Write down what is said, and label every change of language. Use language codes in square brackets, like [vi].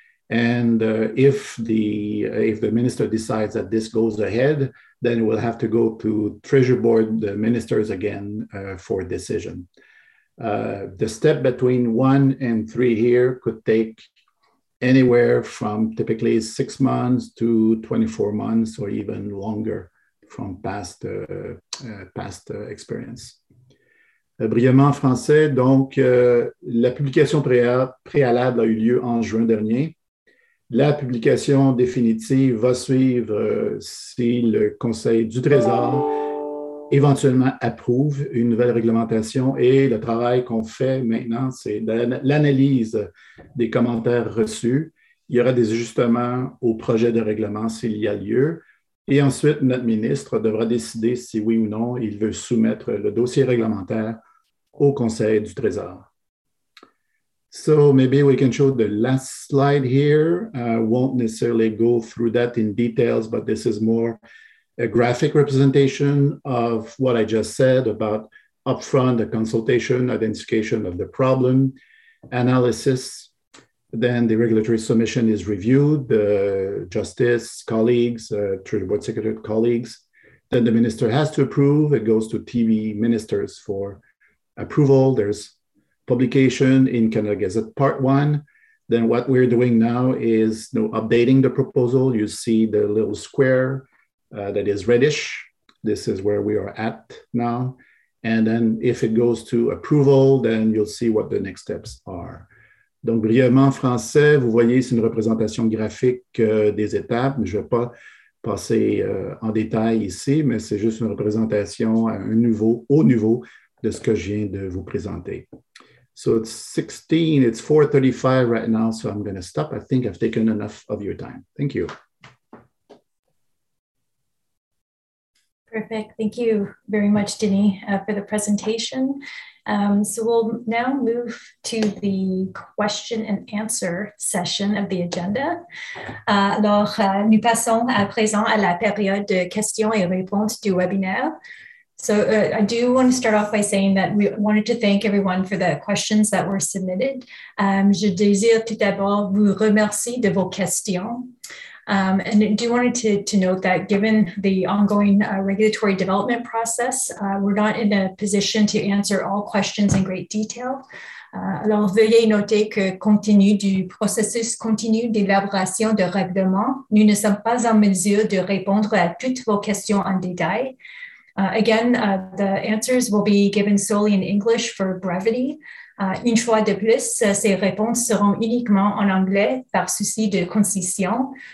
[en] And if the minister decides that this goes ahead, then it will have to go to Treasury Board, the ministers again for decision. The step between one and three here could take anywhere from typically 6 months to 24 months or even longer from past experience. [fr] Brièvement en français, donc la publication préalable a eu lieu en juin dernier. La publication définitive va suivre si le Conseil du Trésor éventuellement approuve une nouvelle réglementation. Et le travail qu'on fait maintenant, c'est l'analyse des commentaires reçus. Il y aura des ajustements au projet de règlement s'il y a lieu. Et ensuite, notre ministre devra décider si oui ou non il veut soumettre le dossier réglementaire au Conseil du Trésor. [en] So maybe we can show the last slide here. Won't necessarily go through that in details, but this is more a graphic representation of what I just said about upfront the consultation, identification of the problem, analysis. Then the regulatory submission is reviewed, the justice colleagues, Treasury Board Secretary colleagues. Then the minister has to approve. It goes to TV ministers for approval. There's publication in Canada Gazette Part 1. Then what we're doing now is updating the proposal. You see the little square that is reddish. This is where we are at now. And then if it goes to approval, then you'll see what the next steps are. [fr] Donc, brièvement en français, vous voyez, c'est une représentation graphique des étapes. Je ne vais pas passer en détail ici, mais c'est juste une représentation à un niveau, haut niveau de ce que je viens de vous présenter. [en] So it's 16, it's 4:35 right now, so I'm going to stop. I think I've taken enough of your time. Thank you. Perfect. Thank you very much, Denis, for the presentation. So we'll now move to the question and answer session of the agenda. [fr] Nous passons à présent à la période de questions et réponses du webinaire. [en] So I do want to start off by saying that we wanted to thank everyone for the questions that were submitted. [fr] Je désire tout d'abord vous remercier de vos questions. [en] And I do wanted to note that given the ongoing regulatory development process, we're not in a position to answer all questions in great detail. [fr] Alors, veuillez noter que, compte tenu du processus continu d'élaboration de règlement, nous ne sommes pas en mesure de répondre à toutes vos questions en détail. [en] The answers will be given solely in English for brevity. [fr] Une fois de plus, ces réponses seront uniquement en anglais par souci de concision.